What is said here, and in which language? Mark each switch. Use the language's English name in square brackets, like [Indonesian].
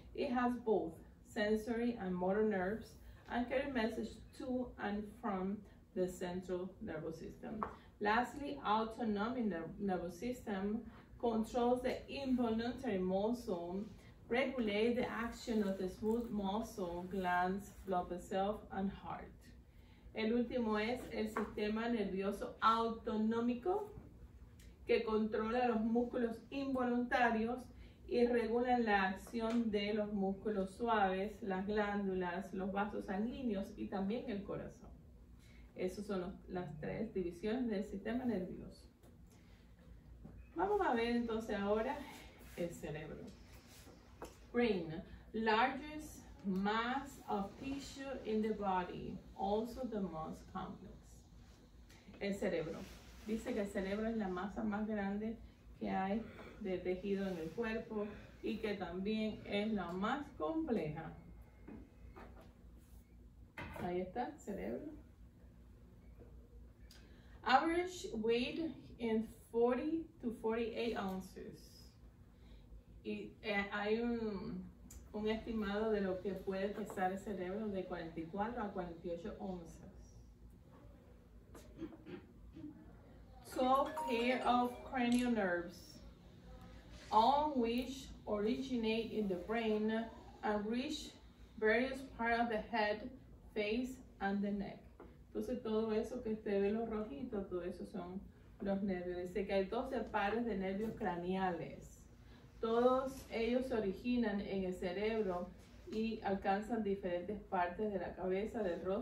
[English] It has both sensory and motor nerves and carry messages to and from the central nervous system. Lastly, autonomic nervous system controls the involuntary muscle, regulate the action of the smooth muscle, glands, blood vessels, and heart. [Spanish] El último es el sistema nervioso autonómico, que controla los músculos involuntarios y regulan la acción de los músculos suaves, las glándulas, los vasos sanguíneos y también el corazón. Esas son las tres divisiones del sistema nervioso. Vamos a ver entonces ahora el cerebro. [English] Brain, largest mass of tissue in the body, also the most complex. [Spanish] El cerebro. Dice que el cerebro es la masa más grande que hay de tejido en el cuerpo y que también es la más compleja. Ahí está, cerebro. [English] Average weight in 40 to 48 ounces. [Spanish] Y hay un estimado de lo que puede pesar el cerebro, de 44 a 48 onzas. [English] Two pair of cranial nerves, all which originate in the brain and reach various parts of the head, face, and the neck. [Spanish] Entonces todo eso que usted ve los rojitos, todo eso son los nervios. Dice que hay 12 pares de nervios craneales. Todos ellos se originan en el cerebro y alcanzan diferentes partes de la cabeza, del rostro.